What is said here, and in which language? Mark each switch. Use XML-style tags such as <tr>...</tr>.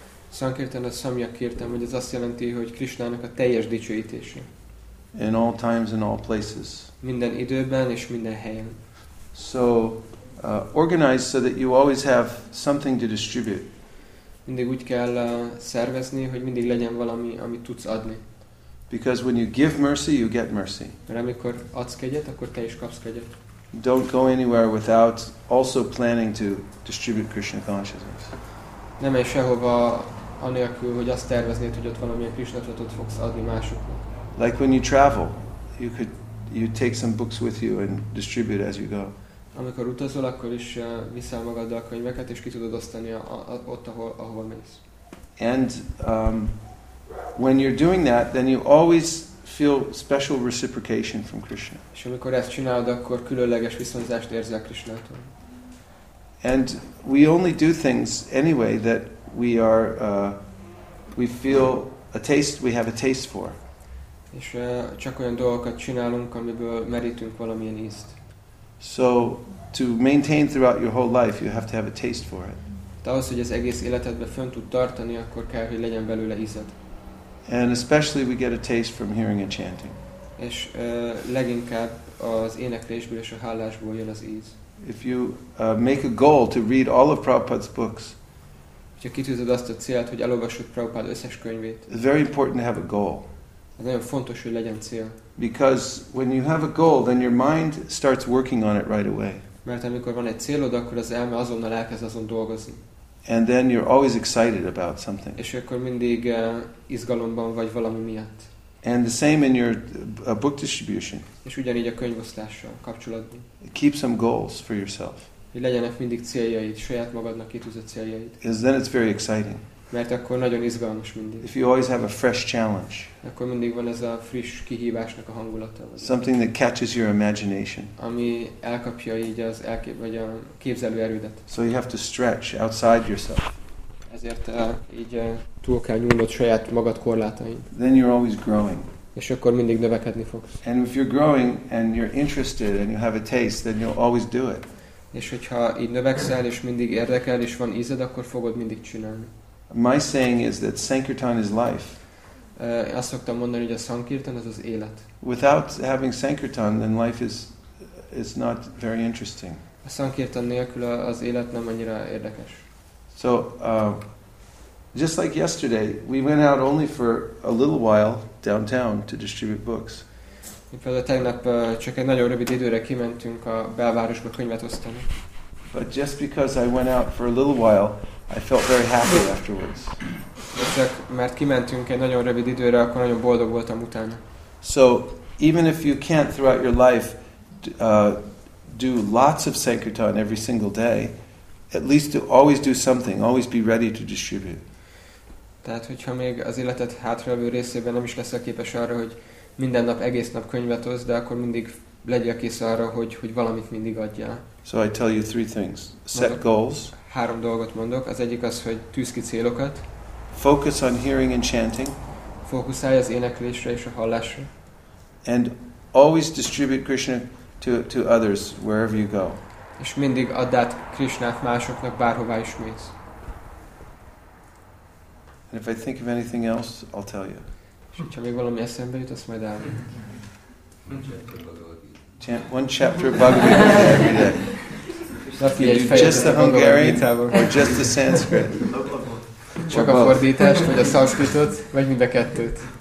<en>Sankirtan is Samyak Kirtan, which</en> <hu>azt jelenti, hogy Krishnának a teljes dicsőítése.</hu> <en>In all times and all places.</en> <hu>Minden időben és minden helyen.</hu> <en>So organize so that you always have something to distribute.</en> <hu>Mindig úgy kell szervezni, hogy mindig legyen valami, amit tudsz adni.</hu> <en>Because when you give mercy, you get mercy.</en> <hu>Mert amikor adsz kegyet, akkor te is kapsz kegyet.</hu> <en>Don't go anywhere without also planning to distribute Krishna consciousness.</en> <hu>Ne menj sehova anélkül, hogy azt terveznéd, hogy ott valamilyen Krishna tudatot fogsz adni másoknak.</hu> <en>Like when you travel, you take some books with you and distribute as you go.</en> <hu>Amikor utazol, akkor is viszel magaddal könyveket, és ki tudod osztani ott, ahova mész.</hu> <en>And when you're doing that, then you always feel special reciprocation from Krishna.</en> <hu>És amikor ezt csinálod, akkor különleges viszonzást érzel Krishnától.</hu> <en>And we only do things anyway that we are we feel a taste, we have a taste for.</en> <hu>És csak olyan dolgokat csinálunk, amiből merítünk valamilyen ízt.</hu> <en>So to maintain throughout your whole life, you have to have a taste for it.</en> <hu>De ahhoz, hogy az egész életedbe fönn tud tartani, akkor kell, hogy legyen belőle ízed.</hu> <en>And especially we get a taste from hearing a chanting.</en> <hu>És leginkább az éneklésből és a hálásból jön az íz.</hu> <en>If you make a goal to read all of Prabhupada's books,</en> <hu>hogyha kitűzöd azt a célt, hogy elolvassuk Prabhupada összes könyvét,</hu> <en>it's very important to have a goal.</en> <hu>Ez nagyon fontos, hogy legyen cél.</hu> <en>Because when you have a goal, then your mind starts working on it right away.</en> <hu>Mert amikor van egy célod, akkor az elme azonnal elkezd azon dolgozni.</hu> <en>And then you're always excited about something.</en> <hu>És akkor mindig izgalomban vagy valami miatt.</hu> <en>And the same in your book distribution.</en> <hu>És ugyanígy a könyvosztással kapcsolatban.</hu> <en>Keep some goals for yourself.</en> <hu>Hogy legyenek mindig céljaid, saját magadnak kitűzött céljaid.</hu> <en>Because then it's very exciting.</en> <hu>Mert akkor nagyon izgalmas mindig.</hu> <en>If you always have a fresh challenge.</en> <hu>Akkor mindig van ez a friss kihívásnak a hangulata.</hu> <en>Something that catches your imagination.</en> <hu>Ami elkapja így az vagy a képzelő erődet.</hu> <en>So you have to stretch outside yourself.</en> <hu>Ezért így túl kell nyúlnod saját magad korlátain.</hu> <en>Then you're always growing.</en> <hu>És akkor mindig növekedni fogsz.</hu> <en>And if you're growing and you're interested and you have a taste, then you'll always do it.</en> <hu>És hogyha így növekszel és mindig érdekel és van ízed, akkor fogod mindig csinálni.</hu> <en>My saying is that sankirtan is life.</en> <hu>Azt szoktam mondani, hogy a sankirtan az az élet.</hu> <en>Without having sankirtan, then life is not very interesting.</en> <hu>A sankirtan nélkül az élet nem annyira érdekes.</hu> <en>So, just like yesterday, we went out only for a little while downtown to distribute books.</en> <hu>Például tegnap csak egy nagyon rövid időre kimentünk a belvárosba könyvet osztani.</hu> <en>But just because I went out for a little while, I felt very happy afterwards.</en> <hu>De csak mert kimentünk egy nagyon rövid időre, akkor nagyon boldog voltam utána.</hu> <en>So, even if you can't throughout your life do lots of sankirtan every single day, at least to always do something, always be ready to distribute.</en> <hu>Tehát, hogyha még az életed hátralévő részében nem is leszel képes arra, hogy minden nap, egész nap könyvet osz, de akkor mindig legyél kész arra, hogy valamit mindig adjál.</hu> <en>So I tell you three things. Set goals.</en> <hu>Három dolgot mondok. Az egyik az, hogy tűz ki célokat.</hu> <en>Focus on hearing and chanting.</en> <hu>Fókuszálj az éneklésre és a hallásra.</hu> <en>And always distribute Krishna to others wherever you go.</en> <hu>És mindig add át Krishnát másoknak bárhová is mész.</hu> <en>And if I think of anything else, I'll tell you.</en> <hu>És hogyha még valami eszembe jut, azt majd elmondom.</hu> <en>Chant one chapter of Bhagavad Gita every day. Just the Hungarian or just the Sanskrit?</en> <hu>Csak a fordítást, vagy a szanszkritot, vagy mind a kettőt.</hu>